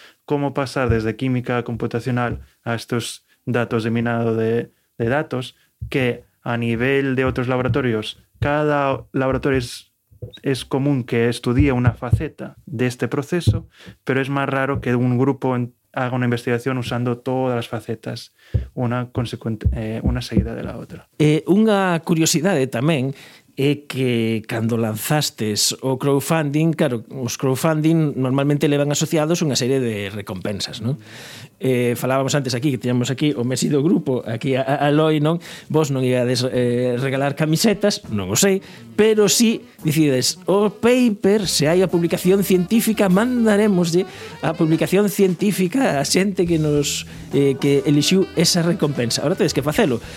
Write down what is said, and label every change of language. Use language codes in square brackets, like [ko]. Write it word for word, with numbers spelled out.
[es] Cómo pasar desde química computacional a estos datos de minado de, de datos, que a nivel de otros laboratorios, cada laboratorio es, es común que estudie una faceta de este proceso, pero es más raro que un grupo en haga una investigación usando todas [gl] as facetas, unha consecuente, eh, unha seguida de la outra. Eh, unha curiosidade tamén é que cando lanzastes o crowdfunding, claro, os crowdfunding normalmente levan asociados unha serie de recompensas, non? Eh, falábamos antes aquí, que teníamos aquí o Messi do grupo, aquí a, a Loi, non? Vos non iades eh, regalar camisetas, non o sei, pero si decides o paper, se hai a publicación científica, mandaremoslle a publicación científica a xente que nos eh, que elixiu esa recompensa. Ahora tedes que facelo.